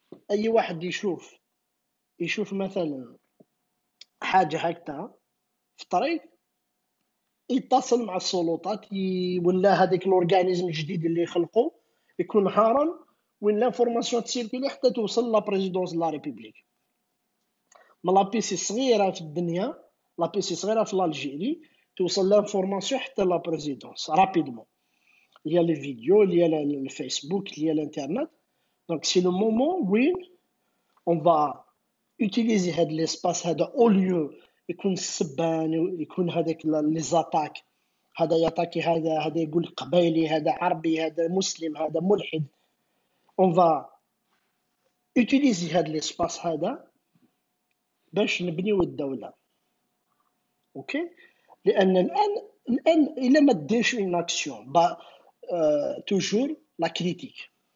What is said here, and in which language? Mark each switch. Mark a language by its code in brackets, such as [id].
[ar] اي واحد يشوف مثلا حاجه هكذا في الطريق يتصل مع السلطات ولا هذاك الاورغانيزم الجديد اللي خلقوا يكون هارم وين لانفورماسيون تسيركولي حتى توصل لا بريزيدونس لا ريبوبليك. ما لا بيسي صغيره في الدنيا، لا بيسي صغيره في الجيري توصل لانفورماسيون حتى لا بريزيدونس رابيدمون. [fr] il y a les vidéos, il y a le Facebook, il y a l'internet. Donc c'est le moment où on va utiliser cet espace هذا au lieu et qu'on se bagne et qu'on a les attaques. [ar] هذا يتاكي هذا يقول قبيلي هذا عربي هذا مسلم هذا ملحد. [fr] On va utiliser cet espace هذا باش نبنيو الدولة. [ar] OK لان الان الى ما ديرش une action toujours la critique